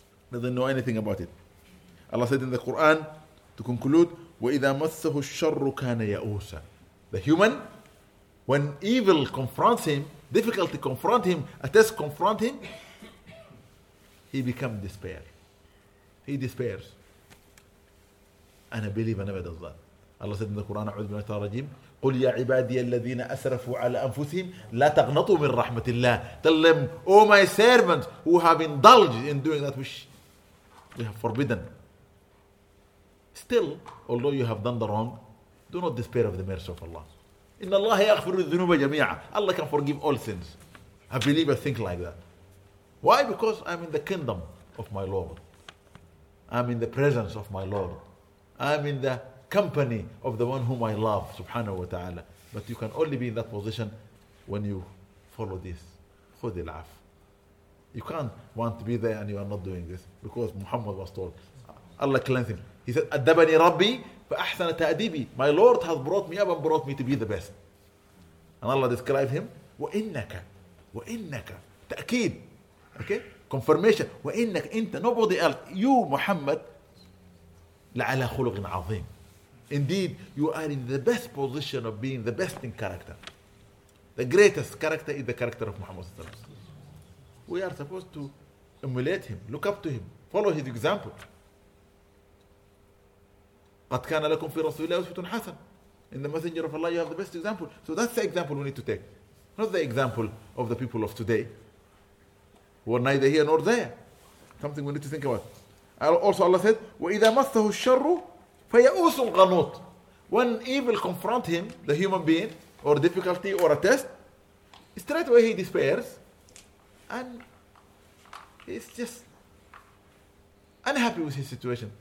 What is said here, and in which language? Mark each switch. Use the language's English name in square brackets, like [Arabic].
[English] Doesn't know anything about it. Allah said in the Quran, to conclude, [Arabic] وَإِذَا مَسَّهُ الشَّرُّ كَانَ يَأُوسًا. [English] The human, when evil confronts him, difficulty confront him, a test confront him, he becomes despair. He despairs. And a believer never does that. Allah said in the Quran, [Arabic] أعوذ بالله من الشيطان الرجيم, قل يا عبادي الذين أسرفوا على أنفسهم لا تقنطوا من رحمة الله. [English] Tell them, oh my servants who have indulged in doing that which we have forbidden. Still, although you have done the wrong, do not despair of the mercy of Allah. [Arabic] إن الله يغفر الذنوب جميعا. [English] Allah can forgive all sins. A believer think like that. Why? Because I'm in the kingdom of my Lord. I'm in the presence of my Lord. I'm in the company of the one whom I love, subhanahu wa ta'ala. But you can only be in that position when you follow this. [Arabic] خذ العف. [English] You can't want to be there and you are not doing this. Because Muhammad was told, Allah cleansed him. He said, [Arabic] أدبني ربي فأحسن تأديبي. [English] My Lord has brought me up and brought me to be the best. And Allah described him, [Arabic] وإنك تأكيد. [English] Okay? confirmation. [Arabic] وإنك أنت [English] nobody else, you Muhammad, [Arabic] لعلى خلق عظيم. [English] Indeed, you are in the best position of being the best in character. The greatest character is the character of Muhammad sallallahu alaihi wasallam. We are supposed to emulate him, look up to him, follow his example. [Arabic] قد كان لكم في رسول الله أسوة حسنة. [English] In the Messenger of Allah, you have the best example. So that's the example we need to take. Not the example of the people of today, who are neither here nor there. Something we need to think about. Also Allah said, [Arabic] وَإِذَا مَسَّهُ الشَّرُّ فَيَأُوسُ الْغَنُوتُ. [English] When evil confront him, the human being, or difficulty, or a test, straight away he despairs, and he's just unhappy with his situation.